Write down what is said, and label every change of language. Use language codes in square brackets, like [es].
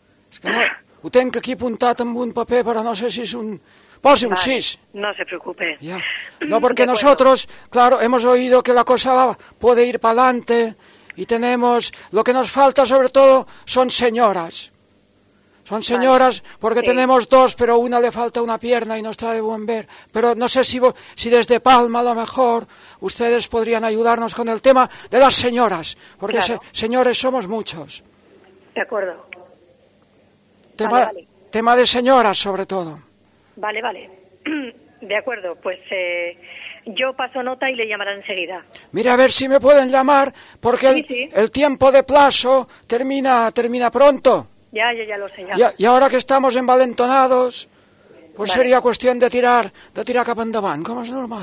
[ca] Es que no, ho tenc aquí apuntat amb un paper, però no sé si és un... Pose un 6. [es] Vale, no se preocupe. Ya. No, porque nosotros, claro, hemos oído que la cosa puede ir para adelante... Y tenemos, lo que nos falta sobre todo son señoras. Son señoras porque tenemos dos, pero una le falta una pierna y no está de buen ver. Pero no sé si desde Palma a lo mejor ustedes podrían ayudarnos con el tema de las señoras. Porque señores somos muchos. De acuerdo. Tema de señoras sobre todo. Vale. De acuerdo, pues... Yo paso nota y le llamarán enseguida. Mira, a ver si me pueden llamar, porque el tiempo de plazo termina pronto. Ya lo sé, ya. Y ahora que estamos envalentonados, pues vale. Sería cuestión de tirar [ca] cap endavant, com és normal.